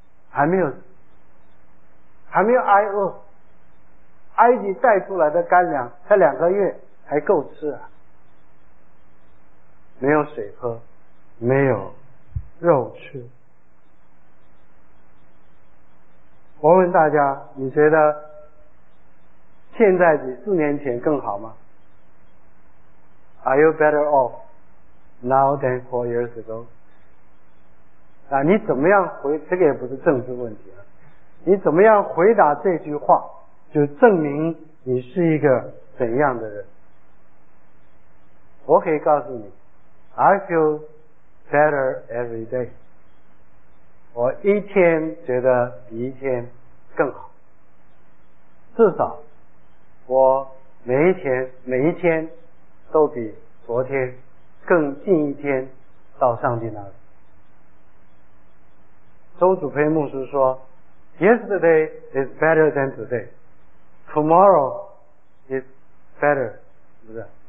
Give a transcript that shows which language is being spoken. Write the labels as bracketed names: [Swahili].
[Chinese] 还没有挨饿，埃及带出来的干粮才两个月还够吃啊，没有水喝，没有肉吃。我问大家，你觉得现在比四年前更好吗？ [English] Are you better off now than four years ago？ [Chinese] 啊，你怎么样回，这个也不是政治问题了，你怎么样回答这句话，就证明你是一个怎样的人。我可以告诉你， [English] I feel better every day， [Chinese] 我一天觉得比一天更好，至少我每一天都比昨天更近一天到上帝那里。周祖培牧师说， [English] Yesterday is better than today，Tomorrow is better， [Chinese] 是不是？